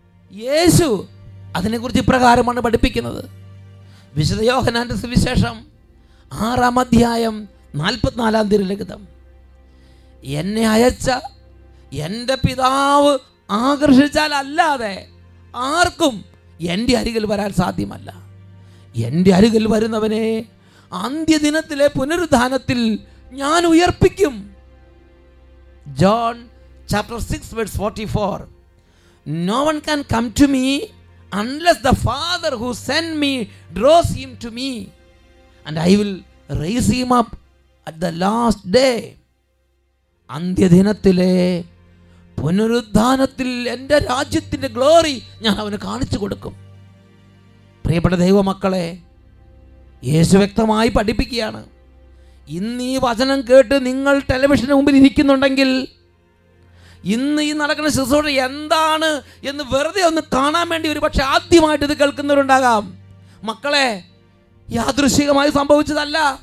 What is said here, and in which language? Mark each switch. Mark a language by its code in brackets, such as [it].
[ml] യേശു അതിനെക്കുറിച്ച് ഇപ്രകാരമാണ് പഠിപ്പിക്കുന്നത്. വിശുദ്ധ യോഹന്നാന്റെ സുവിശേഷം 6:44 എന്നെ അയച്ച എൻ്റെ പിതാവ് ആകർഷിച്ചാലല്ലാതെ ആർക്കും എൻ്റെ അരികിൽ വരാൻ സാധ്യമല്ല. എൻ്റെ അരികിൽ വരുന്നവനെ അന്ത്യദിനത്തിലെ പുനരുദ്ധാനത്തിൽ ഞാൻ ഉയർപ്പിക്കും. [en] John 6:44 No one can come to me unless the Father who sent me draws him to me, and I will raise him up at the last day. [ml] അന്ത്യദിനത്തിലെ പുനരുദ്ധാനത്തിൽ എൻ്റെ രാജ്യത്തിൻ്റെ ഗ്ലോറി ഞാൻ അവന് കാണിച്ചു കൊടുക്കും. പ്രിയപ്പെട്ട ദൈവമക്കളെ, യേശു വ്യക്തമായി പഠിപ്പിക്കുകയാണ്, ഇന്ന് ഈ വചനം കേട്ട് നിങ്ങൾ ടെലിവിഷന് മുമ്പിൽ ഇരിക്കുന്നുണ്ടെങ്കിൽ ഇന്ന് ഈ നടക്കുന്ന ശുശ്രൂഷ എന്താണ് എന്ന് വെറുതെ ഒന്ന് കാണാൻ വേണ്ടി ഒരു പക്ഷെ ആദ്യമായിട്ട് ഇത് കേൾക്കുന്നവരുണ്ടാകാം. മക്കളെ, യാദൃശ്ചികമായി സംഭവിച്ചതല്ല,